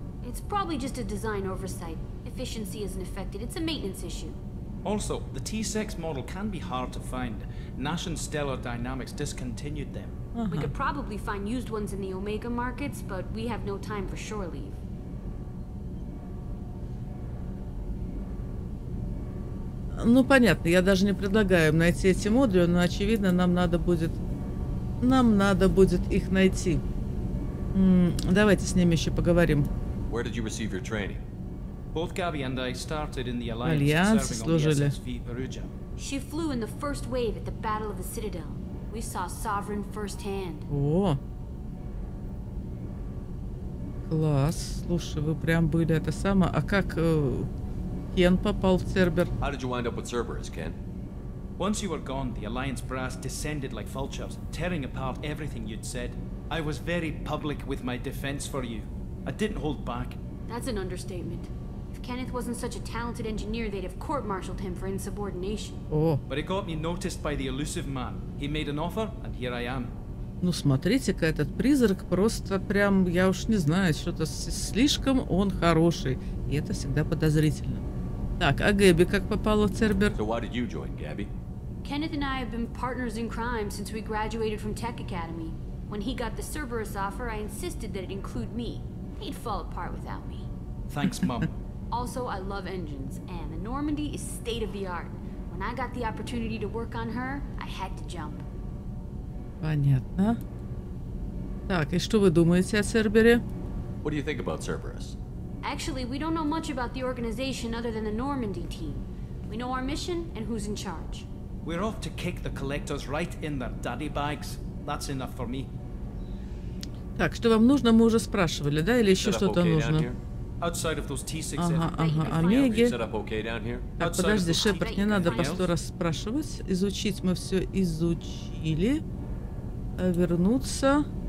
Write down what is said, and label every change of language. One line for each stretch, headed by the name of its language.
English: It's probably just a design oversight. Efficiency isn't affected. It's a maintenance issue. Also, the T6 model can be hard to find. Nash and Stellar Dynamics discontinued them. Uh-huh. We could probably find used ones in the Omega markets, but we have no time for shore leave.
Russian: Ну, понятно, я даже не предлагаю им найти эти модули, но, очевидно, нам надо будет их найти. Давайте с ними еще поговорим.
English: Where did you receive your training? Both Gabby and I started in the Alliance, serving on the SSV Veruja. She flew in the first wave at the Battle of the Citadel. We saw Sovereign firsthand.
Russian: О! Класс! Слушай, вы прям были это самое... А как... Кен попал в Цербер.
English: How did you wind up with Cerberus, Ken? Once you were gone, the Alliance brass descended like vultures, tearing apart everything you'd said. I was very public with my defense for you. I didn't hold back. That's an understatement. If Kenneth wasn't such a talented engineer, they'd have court-martialed him for insubordination. Oh. But it got me noticed by the elusive man. He made an offer, and here I am.
Russian: Ну смотрите-ка, этот призрак просто прям, я уж не знаю, что-то слишком он хороший. И это всегда подозрительно. Так, а Гэбби как попала в Цербер?
English: So why did you join, Gabby? Kenneth and I have been partners in crime since we graduated from Tech Academy. When he got the Cerberus offer, I insisted that it include me. He'd fall apart without me. Thanks, Mom. Also, I love engines, and the Normandy is state of the art. When I got the opportunity to work on her, I had to jump.
Russian: Понятно. Так, и что вы думаете о Цербере?
English: What do you think about Cerberus? Actually, we don't know much about the organization other than the Normandy team. We know our mission and who's in charge. We're off to kick the collectors right in their daddy bags. That's enough for me.
Russian: Так, что вам нужно, мы уже спрашивали, да? Или еще что-то нужно?
English: Outside of those T6
Russian: Омеги.
English: Okay,
Russian: так, подожди, Шепард, не надо по 100 раз спрашивать. Изучить мы все изучили. А вернуться...